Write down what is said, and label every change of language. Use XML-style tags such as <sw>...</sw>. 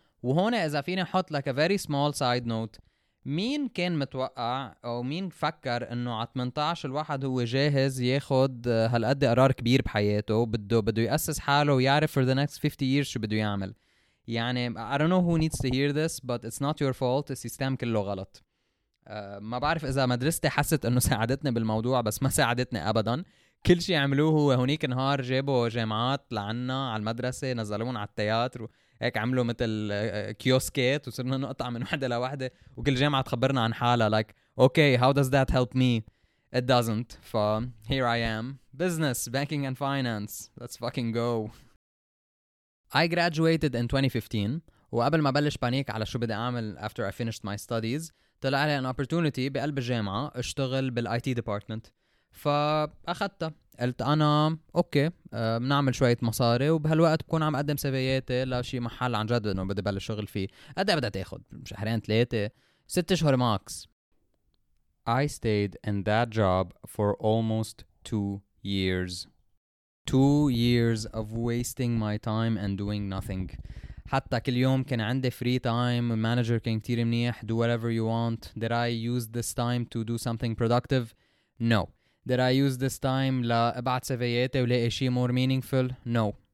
<ar>وهون إذا فينا حط</ar> <en>like a very small side note,</en> <ar>مين كان متوقع أو مين فكر إنه على 18 الواحد هو جاهز ياخد هالقد قرار كبير بحياته بده يأسس حاله ويعرف</ar> <en>for the next 50 years</en> <ar>شو بده يعمل.</ar> <en>يعني I don't know who needs to hear this, but it's not your fault.</en> <ar>السيستم كله غلط. ما بعرف إذا مدرستي حست إنه ساعدتني بالموضوع بس ما ساعدتني أبدا. كل شيء عملوه هو هونيك نهار جابوا جامعات لعنا على المدرسة نزلون على التياتر وهيك عملوا مثل كيوسكات وصرنا نقطع من واحدة لواحدة وكل جامعة تخبرنا عن حالها</ar> <en>like okay how does that help me? It doesn't. ف here I am. Business, banking and finance. Let's fucking go.</en> <ar>I graduated in 2015 وقبل ما بلش بانيك على شو بدي أعمل</ar> <en>after I finished my studies</en> <ar>طلع لي</ar> <en>an opportunity</en> <ar>بقلب الجامعة اشتغل بالIT department فأخدتها قلت أنا أوكي بنعمل شوية مصاري وبهالوقت بكون عم أقدم سيفياتي لشي محل عن جد إنه بدي بلش شغل فيه قد بدأت أخد شهرين ثلاثة ست شهور ماكس</ar> <en>I stayed in that job for almost 2 years. 2 years of wasting my time and doing nothing.</en> <ar>حتى كل يوم كان عندي</ar> <en>free time,</en> <ar>manager كان كتير منيح,</ar> <en>do whatever you want. Did I use this time to do something productive? No. Did I use this time</en> <ar>لأبعت سيفياتي ولاقي شيء</ar> <en>more meaningful? No.</en>